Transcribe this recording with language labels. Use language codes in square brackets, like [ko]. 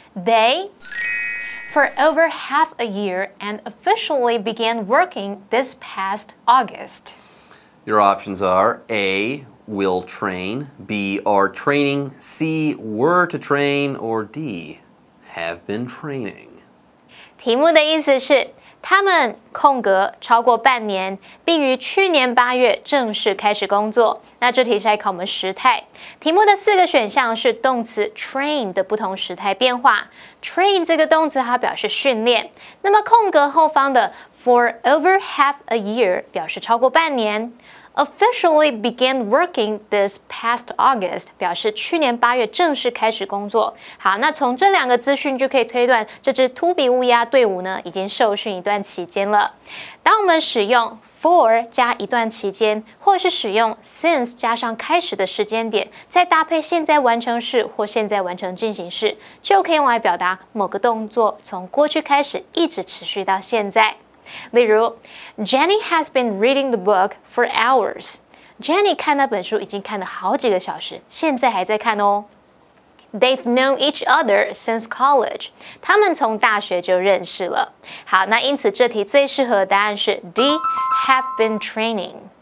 [en] They, for over half a year, and officially began working this past August. Your options are A, will train, B, are training, C, were to train, or D, have been training. [zh] 题目的意思是他们空格超过半年，并于去年八月正式开始工作。那这题是来考我们时态。题目的四个选项是动词 train 的不同时态变化。 train 这个动词它表示训练。那么空格后方的 [en] for over half a year [zh] 表示超过半年。 [en] officially began working this past August [zh] 表示去年八月正式开始工作。好，那从这两个资讯就可以推断，这支秃鼻乌鸦队伍呢已经受训一段期间了。当我们使用 for 加一段期间，或是使用 since 加上开始的时间点，再搭配现在完成式或现在完成进行式，就可以用来表达某个动作从过去开始一直持续到现在。 [en] 例如 Jenny has been reading the book for hours. [zh] Jenny 看那本书已经看了好几个小时，现在还在看哦。 [en] They've known each other since college. [zh] 他们从大学就认识了。好，那因此这题最适合的答案是 D, [en] have been training.